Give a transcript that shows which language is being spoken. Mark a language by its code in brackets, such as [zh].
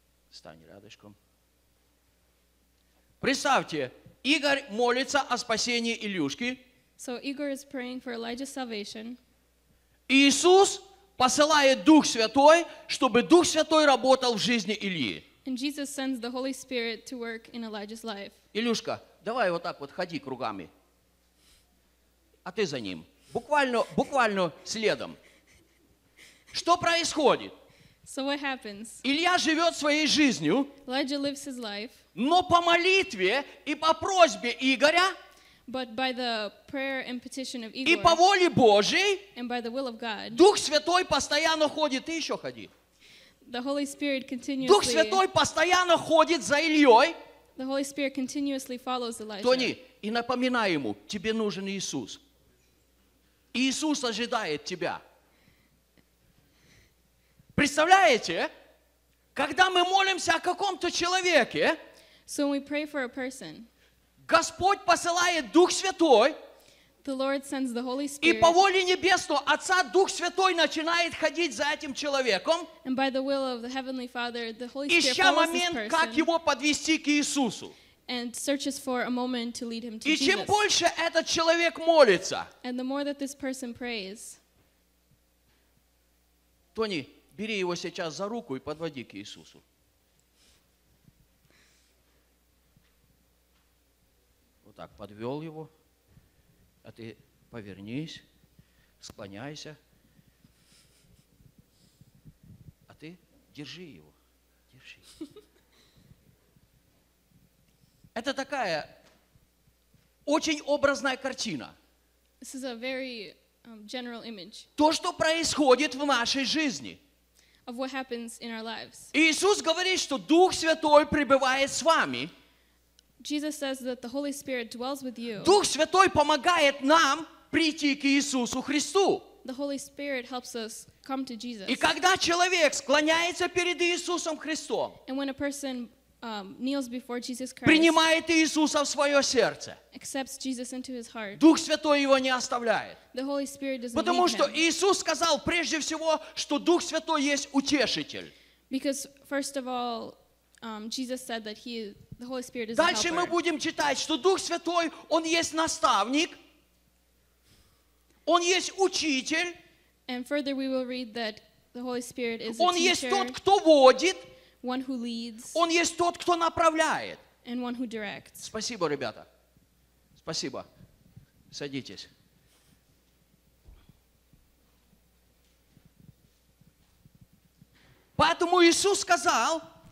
[ru] Стань рядышком. Представьте, Игорь молится о спасении Илюшки. [en] So Igor is praying for Elijah's salvation. [ru] Иисус посылает Дух Святой, чтобы Дух Святой работал в жизни Ильи. [en] And Jesus sends the Holy Spirit to work in Elijah's life. [ru] Илюшка, давай вот так вот ходи кругами. А ты за ним. Буквально, буквально следом. Что происходит? [en] So what happens? [ru] Илья живет своей жизнью. [en] Elijah lives his life. [ru] Но по молитве и по просьбе Игоря. [en] But by the prayer and petition of Igor. [ru] И по воле Божьей. [en] And by the will of God. [ru] Дух Святой постоянно ходит. Ты еще ходи. [en] The Holy Spirit continuously. [ru] Дух Святой постоянно ходит за Ильей. [en] The Holy Spirit continuously follows Elijah. [ru] Тони, и напоминай ему, тебе нужен Иисус. Иисус ожидает тебя. Представляете, когда мы молимся о каком-то человеке, [en] so we pray for a person. [ru] Господь посылает Дух Святой, [en] the Lord sends the Holy Spirit. [ru] И по воле Небесного Отца Дух Святой начинает ходить за этим человеком, ища момент, как его подвести к Иисусу. [en] And searches for a moment to lead him to [ru] Jesus. И чем больше этот человек молится, [en] and the more that this person prays, [ru] Тони, бери его сейчас за руку и подводи к Иисусу. Вот так подвел его. А ты повернись, склоняйся. А ты держи его. Держи. Это такая очень образная картина. [en] This is a very, general image. [ru] То, что происходит в нашей жизни. [en] Of what happens in our lives. [ru] Иисус говорит, что Дух Святой пребывает с вами. [en] Jesus says that the Holy Spirit dwells with you. [ru] Дух Святой помогает нам прийти к Иисусу Христу. [en] The Holy Spirit helps us come to Jesus. [ru] И когда человек склоняется перед Иисусом Христом, [en] and when a person, kneels before Jesus Christ, [ru] принимает Иисуса в свое сердце, [en] accepts Jesus into his heart, [ru] Дух Святой его не оставляет. [en] The Holy Spirit doesn't [ru] Потому что Иисус сказал прежде всего, что Дух Святой есть утешитель. [en] Because first of all, Jesus said that the Holy Spirit is. [ru] Дальше мы будем читать, что Дух Святой, он есть наставник, он есть учитель. [en] And further we will read that the Holy Spirit is. [ru] Он есть тот, кто водит. [en] One who leads. [ru] Он есть тот, кто направляет. [en] And one who directs. [ru] Спасибо, ребята. Спасибо. Садитесь. Поэтому Иисус сказал,